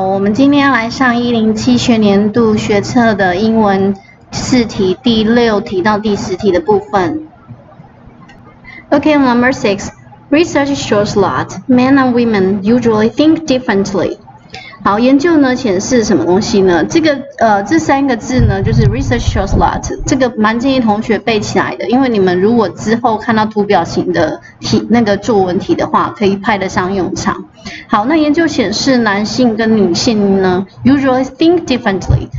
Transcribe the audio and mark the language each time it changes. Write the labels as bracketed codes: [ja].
[zh] 我们今天要来上107学年度学测的英文试题第六题到第十题的部分。 [en] Okay, number six. Research shows that men and women usually think differently. [zh] 好，研究呢显示什么东西呢？这三个字呢，就是 research shows that。这个蛮建议同学背起来的，因为你们如果之后看到图表型的题，那个作文题的话，可以派得上用场。好，那研究显示男性跟女性呢， usually think differently。